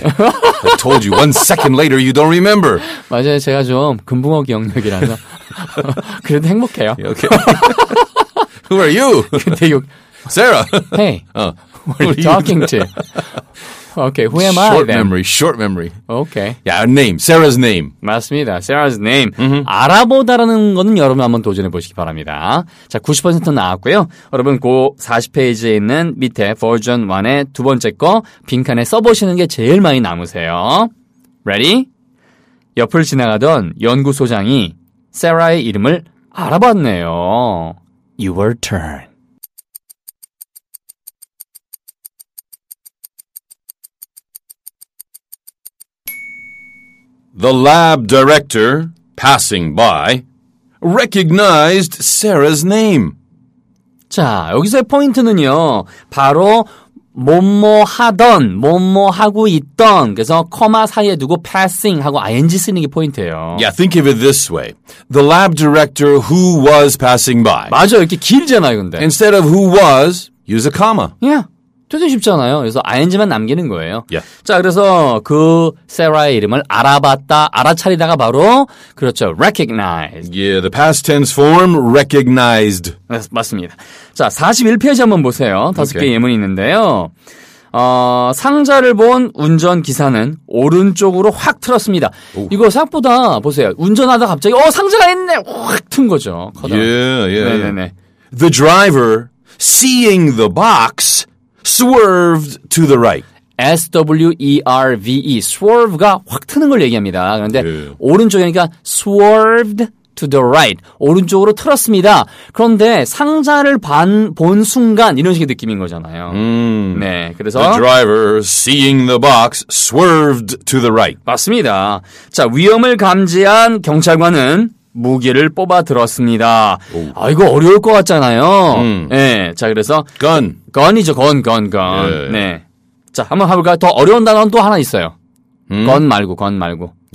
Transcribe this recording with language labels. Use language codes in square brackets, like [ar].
[en] I told you one second later you don't remember. [ko] 맞아요. 제가 좀 금붕어 기억력이라서 그래도 행복해요. [en] Okay. Who are you? Sarah. Hey. Who are you talking to? Okay, who am I then? Short memory. Okay. Yeah, name. Sarah's name. [ko] 맞습니다. [en] Sarah's name. Mm-hmm. [ko] 알아보다라는 거는 여러분 한번 도전해 보시기 바랍니다. 자, 90% 나왔고요. 여러분, 그 40페이지에 있는 밑에 version 1의 두 번째 거 빈칸에 써보시는 게 제일 많이 남으세요. [en] Ready? [ko] 옆을 지나가던 연구소장이 Sarah의 이름을 알아봤네요. [en] Your turn. The lab director, passing by, recognized Sarah's name. [ko] 자, 여기서의 포인트는요. 바로 뭐뭐 하고 있던 그래서 코마 사이에 두고 passing 하고 ing 쓰는 게 포인트예요. [en] Yeah, think of it this way. The lab director who was passing by. [ko] 맞아, 이렇게 길잖아요, 근데. [en] Instead of who was, use a comma. [ko] Yeah. 되게 쉽잖아요. 그래서 ing만 남기는 거예요. [en] Yeah. [ko] 자, 그래서 그 세라의 이름을 알아봤다, 알아차리다가 바로 그렇죠. [en] recognized. Yeah, the past tense form recognized. [ko] 맞습니다. 자, 41페이지 한번 보세요. 다섯 개 예문이 있는데요. 상자를 본 운전기사는 오른쪽으로 확 틀었습니다. 오. 이거 생각보다 보세요. 운전하다 갑자기 상자가 있네 확 튼 거죠. 커다란. Yeah, yeah, 네네네. [en] The driver seeing the box swerved to the right. [ko] S-W-E-R-V-E. Swerve가 확 트는 걸 얘기합니다. 그런데 오른쪽이니까 [en] swerved to the right. [ko] 오른쪽으로 틀었습니다. 그런데 상자를 본 순간 이런 식의 느낌인 거잖아요. 네, 그래서 [en] The driver seeing the box swerved to the right. [ko] 맞습니다. 자, 위험을 감지한 경찰관은 무기를 뽑아 들었습니다. 아, 이거 어려울 것 같잖아요. 네, 자, 그래서 [en] gun. [ko] gun이죠. gun, gun, gun. 예. 네. 자, 한번 해볼까요? 더 어려운 단어는 또 하나 있어요. gun 말고, gun 말고.